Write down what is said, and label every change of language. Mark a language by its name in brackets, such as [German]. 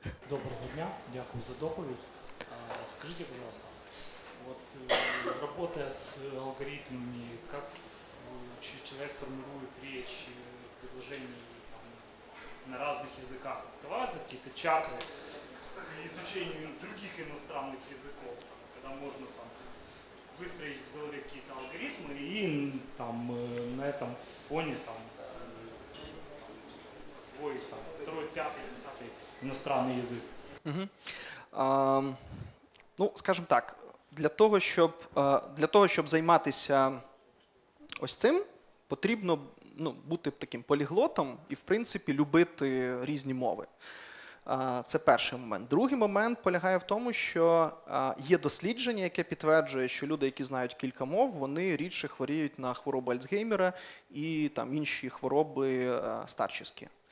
[Ukrainian] Доброго дня, дякую за доповідь. Скажіть, будь ласка, от робота з алгоритмами, як чи [Russian] человек формирует речь, предложение там, на разных языках, открываются какие-то чакры к изучению других иностранных языков, когда можно там, выстроить в голове какие-то алгоритмы и там, на этом фоне там, свой там, второй, пятый, десятый иностранный язык. [Ukrainian] Ну, скажем так, для того, щоб займатися ось цим, потрібно бути таким поліглотом і, в принципі, любити різні мови. Це перший момент. Другий момент полягає в тому, що є дослідження, яке підтверджує, що люди, які знають кілька мов, вони рідше хворіють на хворобу Альцгеймера і там інші хвороби старчості.